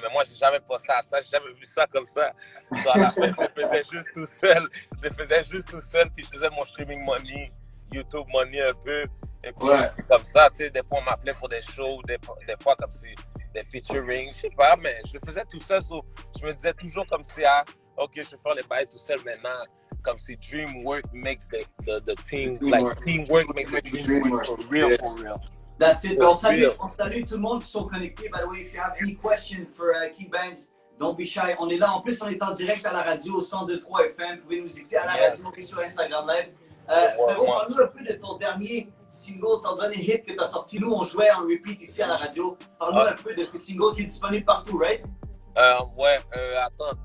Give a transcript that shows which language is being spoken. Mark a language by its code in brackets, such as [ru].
[fr] Mais moi, j'ai jamais pensé à ça. J'ai jamais vu ça comme ça. Donc, à la fin, je le faisais juste tout seul. Puis je faisais mon streaming money, YouTube money un peu. Et puis, ouais. C'est comme ça. Tu sais, des fois, on m'appelait pour des shows, des fois, comme si des featuring. Je sais pas, mais je le faisais tout seul. So, je me disais toujours comme si, ah, OK, je vais faire les bails tout seul maintenant. Comme si [en] dream work makes the team. Like, teamwork makes the dream work. For real. That's it. [fr] On salue tout le monde qui sont connectés. [en] By the way, if you have any question for King Banks, don't be shy. [fr] On est là. En plus, on est en direct à la radio au 102.3 FM. Vous pouvez nous écouter à la radio et sur Instagram Live. Parle-nous un peu de ton dernier single, ton dernier hit que tu as sorti. Nous, on jouait en repeat ici à la radio. Parle-nous un peu de ce single qui est disponible partout, right? Attends.